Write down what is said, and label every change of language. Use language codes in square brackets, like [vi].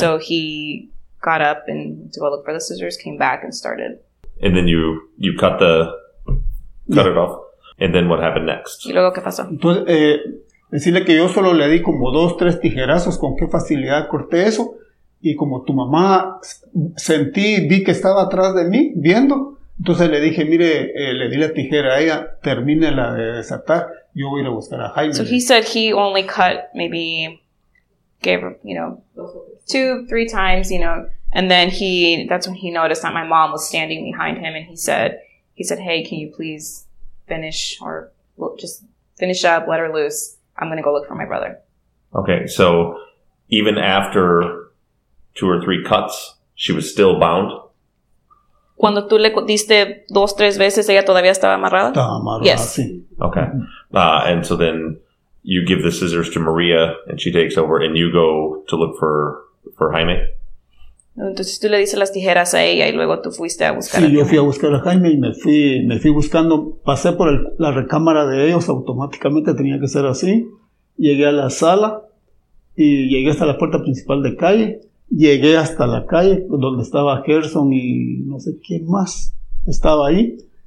[en] So he got up and to go look for the scissors, came back and started. And then you cut the, cut yeah. it off. And then what happened next? [es] Y luego, ¿qué pasó? Entonces, decirle que yo solo le di como dos, tres tijerazos, con qué facilidad corté eso. Y como tu mamá sentí, vi que estaba atrás de mí, viendo. Entonces le dije, mire, le di la tijera a ella, termine la de desatar. Yo voy a ir a buscar a Jaime. [en] So he said he only cut maybe, gave, you know, two, three times, you know. And then that's when he noticed that my mom was standing behind him. And he said, hey, can you please finish or just finish up, let her loose. I'm going to go look for my brother. Okay, so even after two or three cuts, she was still bound? [es] Cuando tú le diste dos, tres veces, ella todavía estaba amarrada? Estaba amarrada, [en] yes. [es] Sí. [en] Okay. And so then you give the scissors to Maria, and she takes over, and you go to look for Jaime? [es] Entonces tú le dices las tijeras a ella, y luego tú fuiste a buscar sí, a Jaime. Sí, yo fui a buscar a Jaime, y me fui buscando. Pasé por la recámara de ellos, automáticamente tenía que ser así. Llegué a la sala, y llegué hasta la puerta principal de calle. Llegué hasta la calle donde estaba Gerson y no sé quién más estaba ahí.